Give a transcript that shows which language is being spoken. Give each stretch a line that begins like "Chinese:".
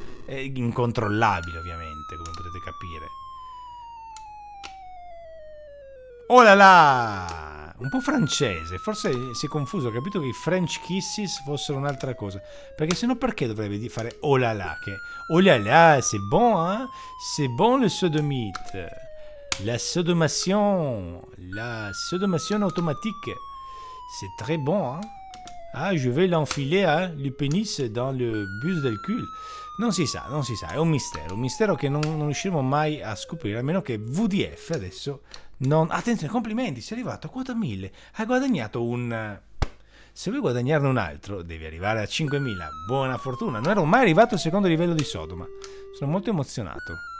Italian: È incontrollabile ovviamente, come potete capire.
French: Oh là là!
Italian: Un po' francese, forse si è confuso, ho capito che i French Kisses fossero un'altra cosa. Perché sennò perché dovrebbe fare oh là là, che
French: oh là là, c'est bon, hein? C'est bon le sodomite. La sodomation automatique. C'est très bon, hein? Ah, je vais l'enfiler, hein? Le pénis dans le bus
Italian: del cul. Non si sa, non si sa, è un mistero che non riusciremo mai a scoprire, a meno che VDF adesso... Non, attenzione, complimenti, sei arrivato a quota 1000. Hai guadagnato un... Se vuoi guadagnarne un altro, devi arrivare a 5000. Buona fortuna, non ero mai arrivato al secondo livello di Sodoma. Sono molto emozionato.